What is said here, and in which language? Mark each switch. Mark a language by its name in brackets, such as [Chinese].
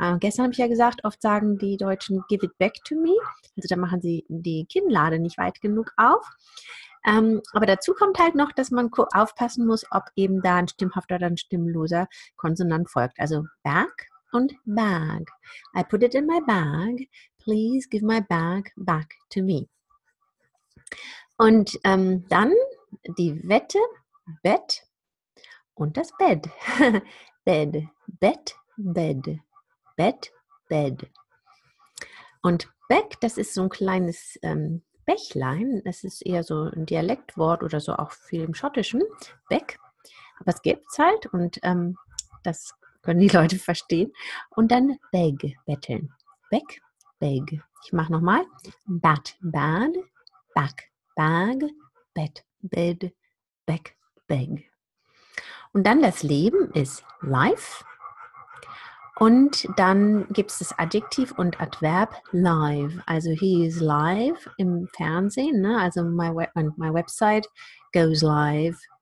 [German] Gestern habe ich ja gesagt, oft sagen die Deutschen [English] give it back to me. [German] Also da machen sie die Kinnlade nicht weit genug auf. Aber dazu kommt halt noch, dass man aufpassen muss, ob eben da ein stimmhafter oder ein stimmloser Konsonant folgt. [English] Also back und bag. I put it in my bag. Please give my bag back to me. [German] Und dann die Wette, Bett und das Bed. [English] Bed, Bett, Bed, Bett, Bed. [German] Und Beck, das ist so ein kleines Bächlein, das ist eher so ein Dialektwort oder so auch viel im Schottischen. Beck, aber es gibt es halt und das können die Leute verstehen. Und dann Beg, betteln. Beck, Beg. Ich mache nochmal. [English] Bad, bad, back, bag, bed, bed, back, beg. [German] Und dann das Leben ist life. Und dann gibt es das Adjektiv und Adverb live. [English] Also he is live [German] im Fernsehen. Ne? [English] Also my website goes live.